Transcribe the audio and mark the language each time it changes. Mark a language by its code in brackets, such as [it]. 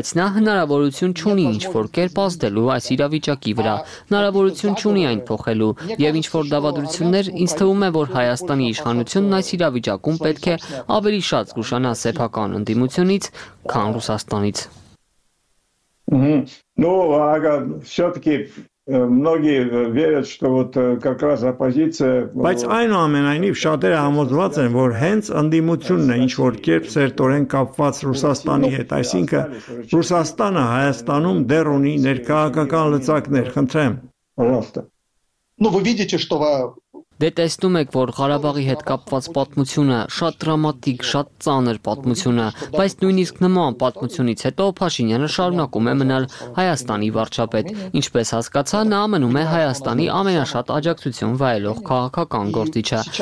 [hy] բայց նա հնարավորություն չունի ինչ որ կերպ ազդելու այս իրավիճակի վրա, հնարավորություն չունի այն փոխելու, եւ ինչ որ դավադրություններ, ինձ թվում է, որ Հայաստանի իշխանությունն այս իրավիճակում պետք է ավելի շատ զգուշանա սեփական ընդդիմությունից, քան Ռուսաստանից։ [ru] Многие верят, что вот как раз оппозиция. [hy] Բայց այնուամենայնիվ շատերը համոզված են, որ հենց ընդդիմությունն է, ինչ որ կերպ սերտորեն կապված Ռուսաստանի հետ, այսինքն Ռուսաստանը Հայաստանում դեռ ունի ներքաղաքական լծակներ, խնդրեմ։ [ru] Ну вы видите, что [hy] Դե տեսնում եք, որ Ղարաբաղի հետ կապված պատմությունը շատ դրամատիկ, շատ ծանր պատմություն է, բայց նույնիսկ նման պատմությունից հետո Փաշինյանը շարունակում է մնալ Հայաստանի վարչապետ, ինչպես հասկացա, նա մնում է Հայաստանի ամենաշատ աջակցություն վայելող քաղաքական գործիչը։